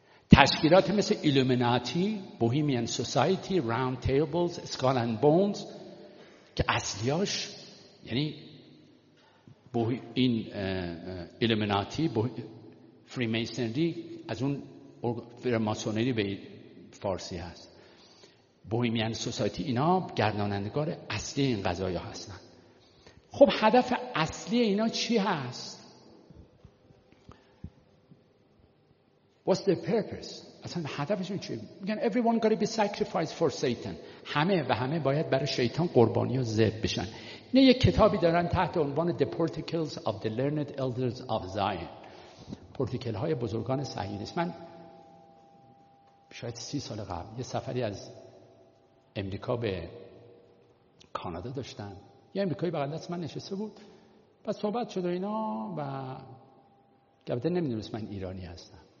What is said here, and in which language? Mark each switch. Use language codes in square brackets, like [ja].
[fa] تشکیلات مثل ایلومیناتی، بوهیمین سوسایتی، راوند تیبلز، اسکال اند بونز که اصلیاش، یعنی این ایلومیناتی، فریمیسنری از اون فریماسونری به فارسی هست، بوهیمین سوسایتی، اینا گردانندگار اصلی این قضایا هستن. خب هدف اصلی اینا چی هست؟ [en] What's the purpose [fa] اصلا هدفشون چیه؟ میگن [en] everyone gotta be sacrificed for Satan. [fa] همه و همه باید برای شیطان قربانی و ذبح بشن. نه یک کتابی دارن تحت عنوان The Portacles of the Learned Elders of Zion. پورتیکل های بزرگان صهیونیست. من شاید 30 سال قبل یه سفری از امریکا به کانادا داشتم. یه امریکایی بغل دست من نشسته بود. بعد صحبت شد و اینا و البته نمیدونست من ایرانی هستم.